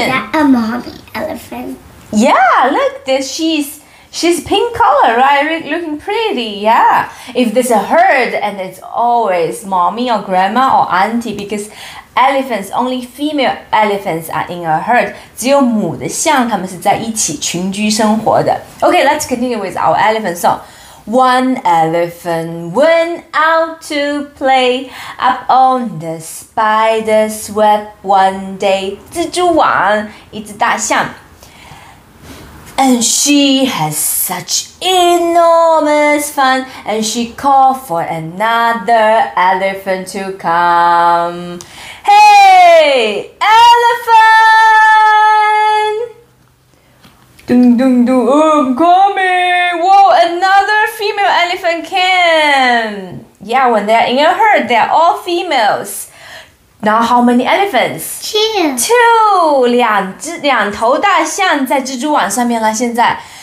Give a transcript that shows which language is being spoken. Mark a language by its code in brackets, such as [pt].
[en] Is that a mommy elephant? Yeah, look, she's pink color, right? Looking pretty, yeah. If there's a herd and it's always mommy or grandma or auntie, because elephants, only female elephants are in a herd. [zh] 只有母的象他们是在一起群居生活的。 [en] Okay, let's continue with our elephant song. One elephant went out to play up on the spider's web one day. [zh] 蜘蛛网，一只大象。 [en] And she has such enormous fun, and she called for another elephant to come. Hey, elephant! Dung, dung, dung, I'm coming! Whoa, another female elephant came! Yeah, when they're in a herd, they're all females. Now how many elephants? Two. [zh] 两头大象在蜘蛛网上面了现在。